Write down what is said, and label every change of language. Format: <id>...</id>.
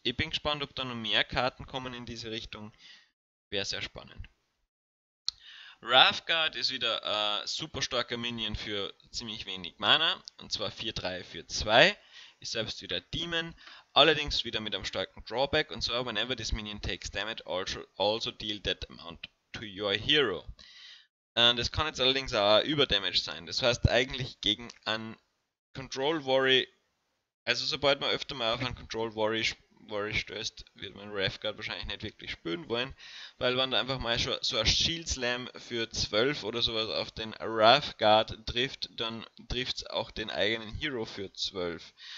<de>Ich bin gespannt, ob da noch mehr Karten kommen in diese Richtung. Wäre sehr spannend. Wrathguard ist wieder ein super starker Minion für ziemlich wenig Mana. Und zwar 4-3 für 2. Ist selbst wieder Demon. Allerdings wieder mit einem starken Drawback. Und zwar,</de> <en>whenever this minion takes damage, also deal that amount to your hero.</en> <de>Das kann jetzt allerdings auch Überdamage sein. Das heißt eigentlich gegen einen Control Worry. Also sobald man öfter mal auf einen Control Worry stößt, wird man Wrathguard wahrscheinlich nicht wirklich spielen wollen, weil wenn da einfach mal so ein Shield Slam für 12 oder sowas auf den Wrathguard trifft, dann trifft's auch den eigenen Hero für 12.</de>